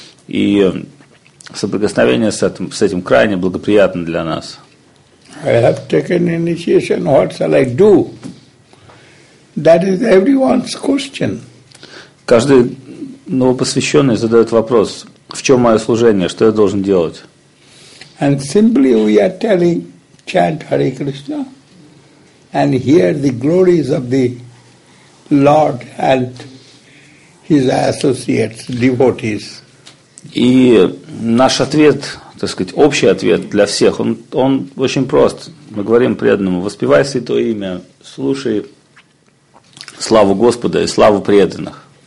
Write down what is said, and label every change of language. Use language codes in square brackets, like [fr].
[ru] И соприкосновение с этим крайне благоприятно для нас. [en] I have taken initiation. What shall I do? That is everyone's question. [ru] Каждый новопосвященный задает вопрос, в чем мое служение, что я должен делать? [en] And simply we are telling, chant Hare Krishna and hear the glories of the Lord and His associates, devotees. [ru] И наш ответ, так сказать, общий ответ для всех, он очень прост. Мы говорим преданному, воспевай святое имя, слушай славу Господа и славу преданных.